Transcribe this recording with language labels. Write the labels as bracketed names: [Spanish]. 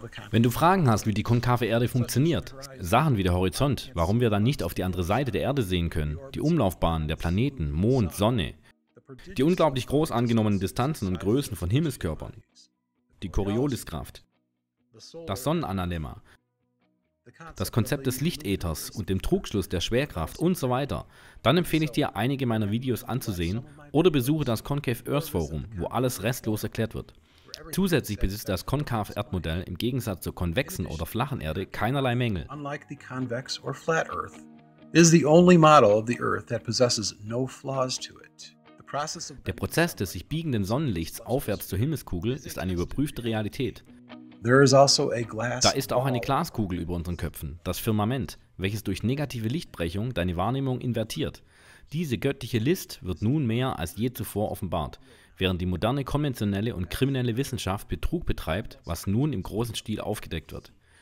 [German] Wenn du Fragen hast, wie die konkave Erde funktioniert, Sachen wie der Horizont, warum wir dann nicht auf die andere Seite der Erde sehen können, die Umlaufbahnen der Planeten, Mond, Sonne, die unglaublich groß angenommenen Distanzen und Größen von Himmelskörpern, die Corioliskraft, das Sonnenanathema, das Konzept des Lichtäthers und dem Trugschluss der Schwerkraft und so weiter, dann empfehle ich dir, einige meiner Videos anzusehen oder besuche das Concave Earth Forum, wo alles restlos erklärt wird. Zusätzlich besitzt das Concave Erdmodell im Gegensatz zur konvexen oder flachen Erde keinerlei Mängel. [English] Unlike the convex or flat Earth, is the only model of the Earth that possesses no flaws to it. [German] Der Prozess des sich biegenden Sonnenlichts aufwärts zur Himmelskugel ist eine überprüfte Realität. Da ist auch eine Glaskugel über unseren Köpfen, das Firmament, welches durch negative Lichtbrechung deine Wahrnehmung invertiert. Diese göttliche List wird nun mehr als je zuvor offenbart, während die moderne konventionelle und kriminelle Wissenschaft Betrug betreibt, was nun im großen Stil aufgedeckt wird.